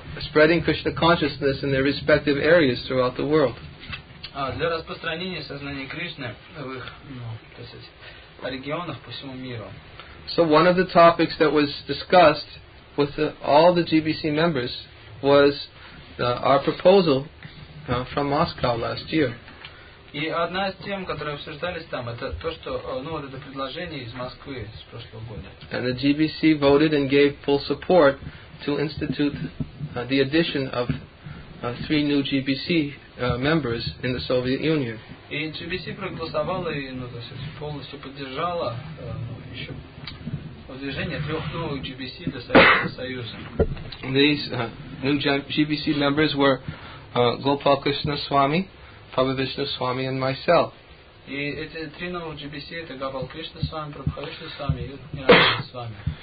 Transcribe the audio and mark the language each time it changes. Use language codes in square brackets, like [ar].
[en] Spreading Krishna consciousness in their respective areas throughout the world. [ru] Для распространения сознания Кришны в их, ну, то есть, регионах по всему миру. [en] So one of the topics that was discussed with all the GBC members was our proposal from Moscow last year. [ru] И одна из тем, которые обсуждались там, это то, что, ну, вот это предложение из Москвы с прошлого года. [en] And the GBC voted and gave full support to institute the addition of three new GBC members in the Soviet Union. [ru] И GBC проголосовала и, ну, то есть полностью поддержала еще выдвижение трех новых GBC для Советского Союза. [en] These new GBC members were Gopal Krishna Swami, Prabhu Vishnu Swami and myself. [ru] И эти три новых GBC это Гопал Кришна с вами, Прабху Кришна с вами и я с вами.